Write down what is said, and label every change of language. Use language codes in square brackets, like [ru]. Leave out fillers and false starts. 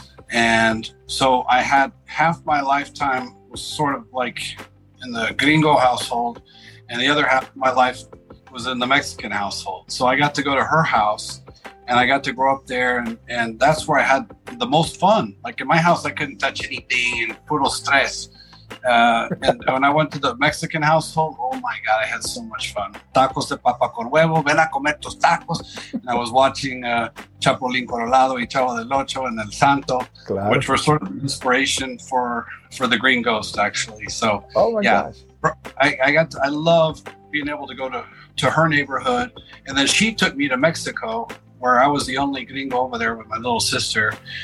[en] And so I had half my lifetime was sort of like in the gringo household, and the other half of my life was in the Mexican household. So I got to go to her house, and I got to grow up there, and that's where I had the most fun. Like in my house, I couldn't touch anything, and puro stress. And when I went to the Mexican household, oh my God, I had so much fun. [es] Tacos de papa con huevo, ven a comer tus tacos. [en] And I was watching Chapulín Colorado y Chavo del Ocho and El Santo, claro, which were sort of inspiration for the Green Ghost, actually. So, Oh my gosh. I love being able to go to her neighborhood. And then she took me to Mexico, where I was the only gringo over there with my little sister.